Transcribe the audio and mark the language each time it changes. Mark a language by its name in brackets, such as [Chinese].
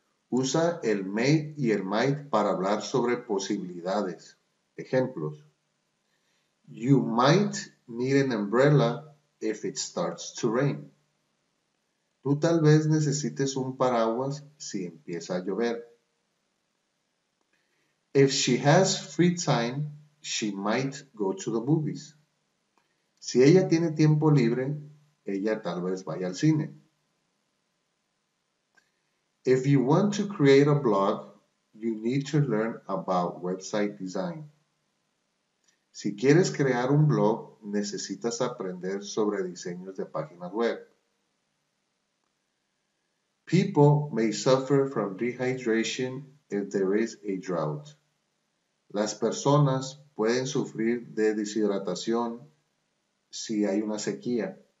[Spanish] Usa el may y el might para hablar sobre posibilidades. Ejemplos. [English] You might need an umbrella if it starts to rain. [Spanish] Tú tal vez necesites un paraguas si empieza a llover. [English] If she has free time, she might go to the movies. [Spanish] Si ella tiene tiempo libre, ella tal vez vaya al cine. [English] If you want to create a blog, you need to learn about website design. [Spanish] Si quieres crear un blog, necesitas aprender sobre diseños de páginas web. [English] People may suffer from dehydration if there is a drought. [Spanish] Las personas pueden sufrir de deshidratación si hay una sequía.